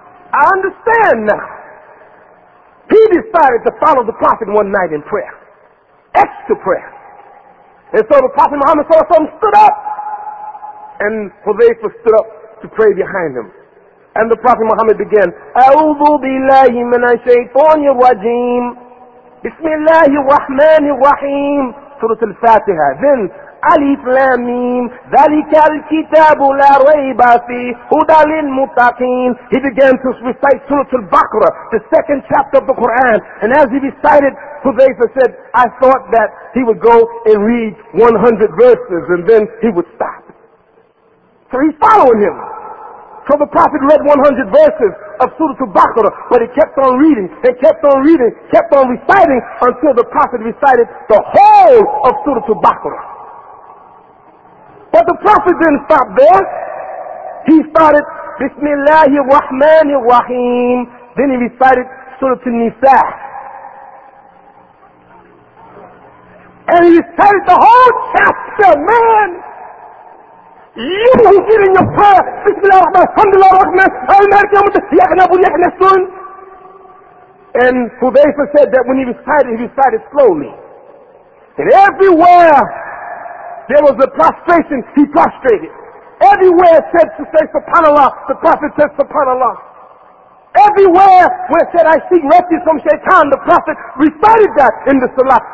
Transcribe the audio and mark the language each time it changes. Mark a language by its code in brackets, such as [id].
[en] I understand now. He decided to follow the Prophet one night in prayer. Extra prayer. And so the Prophet Muhammad saw something, stood up. And Hudhayfa stood up to pray behind him. And the Prophet Muhammad began, [ar] أَعُوذُ بِاللَّهِ مِنَ الشَّيْطَانِ الرَّجِيمِ بِسْمِ اللَّهِ الرَّحْمَنِ الرَّحِيمِ [en] Surah Al-Fatiha. Then, [ar] أَلِفْ لَمِيمْ ذَلِكَ الْكِتَابُ لَا رَيْبَ فِيهِ هُدَى لِلْمُتَّقِينَ [en] He began to recite Surah Al-Baqarah, the second chapter of the Quran. And as he recited, Hudhayfa said, I thought that he would go and read 100 verses and then he would stop. So he's following him. So the Prophet read 100 verses of Surah Al-Baqarah, but he kept on reading and kept on reading, kept on reciting until the Prophet recited the whole of Surah Al-Baqarah. But the Prophet didn't stop there. He started, Bismillahir Rahmanir Rahim. Then he recited Surah An-Nisa. And he recited the whole chapter, man. يوم وفير يوم بسم الله الرحمن الحمد لله الرحمن هاي مارك يوم تسيقنا بني احنا سون. And Hudhayfa said that when he recited slowly. And everywhere there was a prostration, he prostrated. Everywhere it said to say subhanAllah, the Prophet said subhanAllah. Everywhere where it said I seek refuge from shaitan, the Prophet recited that in the Salah.